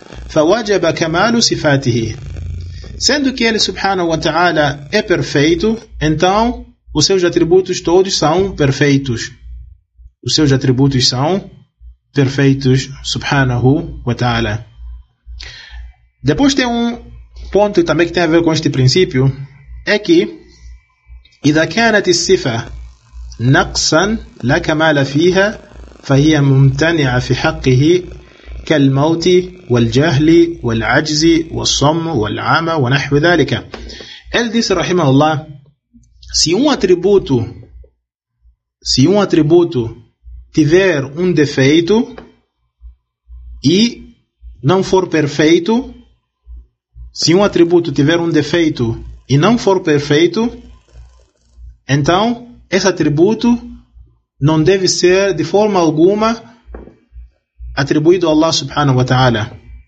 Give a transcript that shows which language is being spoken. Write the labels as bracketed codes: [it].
[ar] فَوَجَبَ كَمَالُ سِفَاتِهِ. [pt] Sendo que ele subhanahu wa ta'ala é perfeito, então os seus atributos todos são perfeitos. Os seus atributos são perfeitos, subhanahu wa ta'ala. Depois tem um ponto também que tem a ver com este princípio, é que [ar] إِذَا كَانَتِ السِّفَةَ نَقْسًا لَا كَمَالَ فِيهَا فَهِيَ مُمْتَنِعَ فِي حَقِّهِ كَالْمَوْتِ وَالْجَهْلِ وَالْعَجْزِ وَالصَّمُّ وَالْعَمَى وَنَحْوِ ذَلِكَ. [pt] Ele disse, rahimahullah, se um atributo tiver um defeito e não for perfeito, se um atributo tiver um defeito e não for perfeito, então esse atributo não deve ser de forma alguma atribuído a Allah subhanahu wa ta'ala.